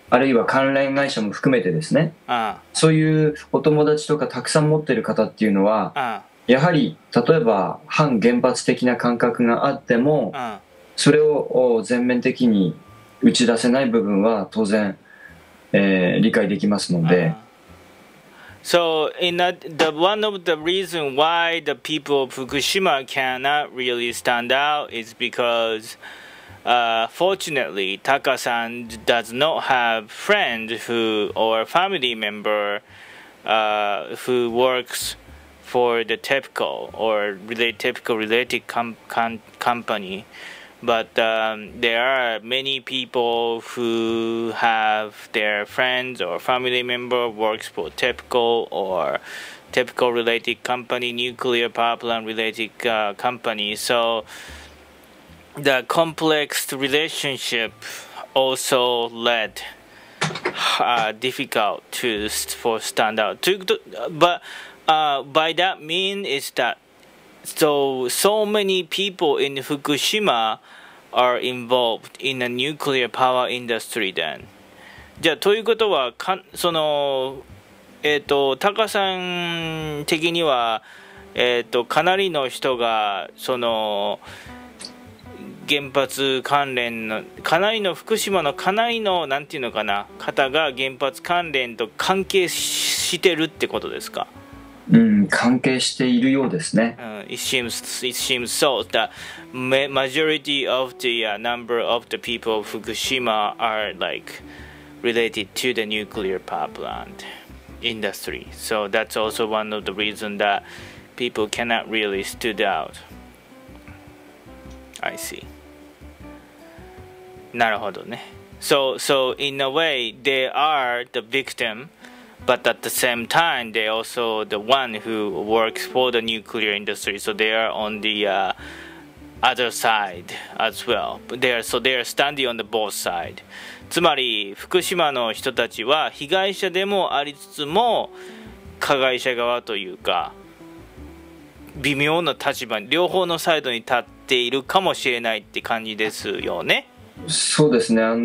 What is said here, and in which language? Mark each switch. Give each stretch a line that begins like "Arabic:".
Japanese: るいは関連会社も含めてですね、そういうお友達とかたくさん持ってる方っていうのは、やはり例えば反原発的な感覚があっても、それを全面的に打ち出せない部分は当然、理解できますので。
English: So in that, the one of the reason why the people of Fukushima cannot really stand out is because, fortunately, Taka-san does not have friend who or family member, who works for the TEPCO or TEPCO related company, but there are many people who have their friends or family member works for TEPCO or TEPCO related company, nuclear power plant related company. So the complex relationship also led difficult to for stand out. But by that mean is that so many people in Fukushima are involved in the nuclear power industry then.
Japanese: じゃあ、ということは、その、タカさん的には、かなりの人が、その、原発関連の、かなりの福島のかなりの、なんていうのかな、方が原発関連と関係してるってことですか？関係しているようですね。
English: It seems so that majority of the number of the people of Fukushima are like related to the nuclear power plant industry. So that's also one of the reasons that people cannot really stood out. I see.
Japanese: なるほどね。
English: So in a way, they are the victim. But at the same time, they also the one who works for the nuclear industry. So they are on the other side as well. They are standing on the both side.
Japanese: つまり福島の人たちは被害者でもありつつも加害者側というか微妙な立場、両方のサイドに立っているかもしれないって感じですよね。そうですね。